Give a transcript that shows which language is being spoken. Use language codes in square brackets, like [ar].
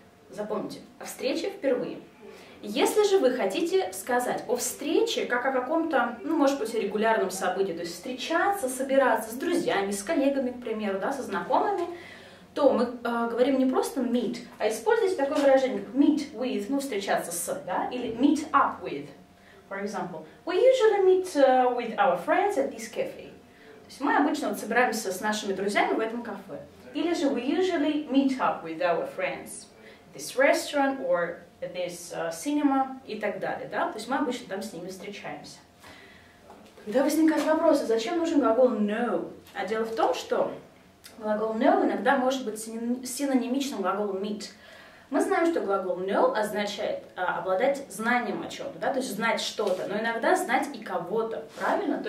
[ru] Запомните, о встрече впервые. Если же вы хотите сказать о встрече, как о каком-то, ну, может быть, регулярном событии, то есть встречаться, собираться с друзьями, с коллегами, к примеру, да, со знакомыми, то мы говорим не просто meet, а используйте такое выражение, как meet with, ну, встречаться с, да, или meet up with. [en] For example, we usually meet with our friends at this cafe. [ru] То есть мы обычно вот собираемся с нашими друзьями в этом кафе. Или же [en] we usually meet up with our friends at this restaurant or this cinema [ru] и так далее, да? То есть мы обычно там с ними встречаемся. Тогда возникает вопрос, а зачем нужен глагол know? А дело в том, что глагол know иногда может быть синонимичным глаголу meet. Мы знаем, что глагол know означает обладать знанием о чем-то, да? То есть знать что-то, но иногда знать и кого-то, правильно?